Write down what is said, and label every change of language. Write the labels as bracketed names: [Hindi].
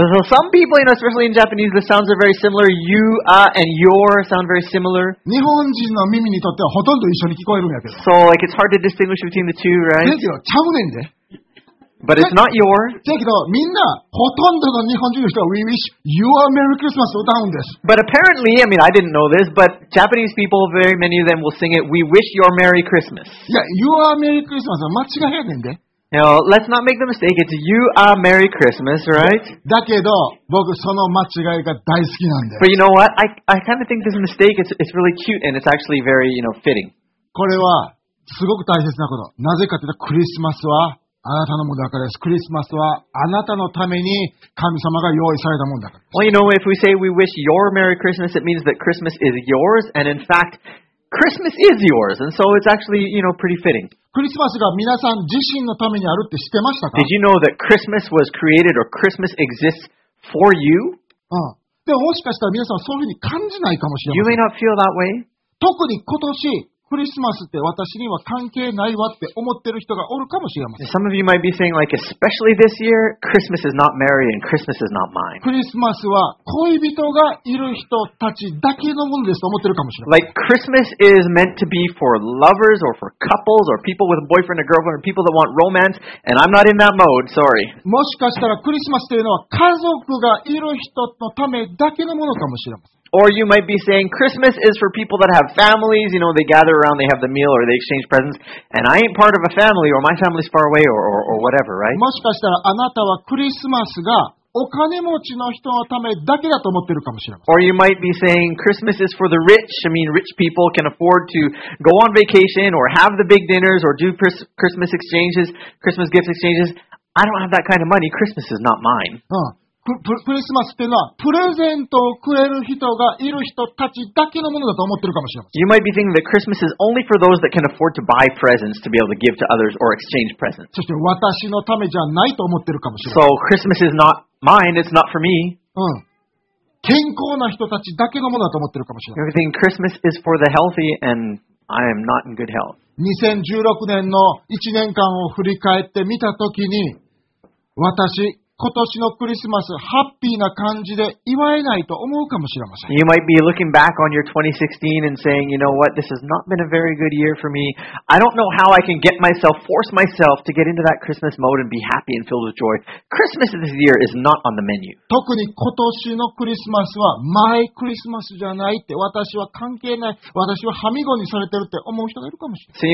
[English] ?So some people, you know, especially in Japanese, the sounds are very similar. You, and your sound very similar. [Japanese] 日本人の耳にとってはほとんど一緒に聞こえるんやけど。 [English] So, like, it's hard to distinguish between the two, right? [Japanese] ですよ、ちゃうねんで。 [English] But it's not your. [Japanese] だけどみんなほとんどの日本人の人は We wish you a Merry Christmas を歌うんです。 [English] But apparently, I mean, I didn't know this, but Japanese people, very many of them will sing it. We wish your Merry Christmas. [Japanese] いや、 [English] You are Merry Christmas [Japanese] は間違えねんで。 [English] Now, let's not make the mistake. It's you are Merry Christmas, right? [Japanese] だけど僕その間違いが大好きなんで。 [English] But you know what? I kind of think this mistake is really cute and it's actually very, you know, fitting. [Japanese] これはすごく大切なこと。なぜかというとクリスマスはあなたのものだからです。クリスマスはあなたのために神様が用意されたものだから。 [English] Well, you know, if we say we wish your Merry Christmas, it means that Christmas is yours, and in fact, Christmas is yours, and so it's actually, you know, pretty fitting. [Japanese] クリスマスが皆さん自身のためにあるって知ってましたか? [English] Did you know that Christmas was created or Christmas exists for you? [Japanese] でももしかしたら皆さんそういうふうに感じないかもしれない。 [English] You may not feel that way. [Japanese] 特に今年クリスマスって私には関係ないわって思ってる人がおるかもしれません。 [English] Some of you might be saying, like, especially this year, Christmas is not Mary and Christmas is not mine. [Japanese] クリスマスは恋人がいる人たちだけのものですと思ってるかもしれません。 [English] Like, Christmas is meant to be for lovers or for couples or people with a boyfriend or girlfriend or people that want romance, and I'm not in that mode, sorry. [Japanese] もしかしたらクリスマスというのは家族がいる人のためだけのものかもしれません。 [English] Or you might be saying Christmas is for people that have families, you know, they gather around, they have the meal or they exchange presents, and I ain't part of a family or my family's far away or whatever, right? [Japanese] もしかしたらあなたはクリスマスがお金持ちの人のためだけだと思ってるかもしれません。 [English] Or you might be saying Christmas is for the rich. I mean, rich people can afford to go on vacation or have the big dinners or do Christmas exchanges, Christmas gift exchanges. I don't have that kind of money. Christmas is not mine. [Japanese] クリスマスっていうのはプレゼントをくれる人がいる人たちだけのものだと思ってるかもしれません。 [English] You might be thinking that Christmas is only for those that can afford to buy presents to be able to give to others or exchange presents. [Japanese] そして私のためじゃないと思ってるかもしれません。 [English] So Christmas is not mine, it's not for me. [Japanese] 健康な人たちだけのものだと思ってるかもしれません。 [English] You're thinking Christmas is for the healthy and I am not in good health. [Japanese] 2016年の1年間を振り返ってみたときに私今年のクリスマス、ハッピーな感じで祝えないと思うかもしれません。 [English] You might be looking back on your 2016 and saying, you know what, this has not been a very good year for me. I don't know how I can get myself, force myself to get into that Christmas mode and be happy and filled with joy. Christmas this year is not on the menu. [Japanese] 特に今年のクリスマスは、マイクリスマスじゃないって、私は関係ない、私はハミゴにされてるって思う人がいるかもしれません。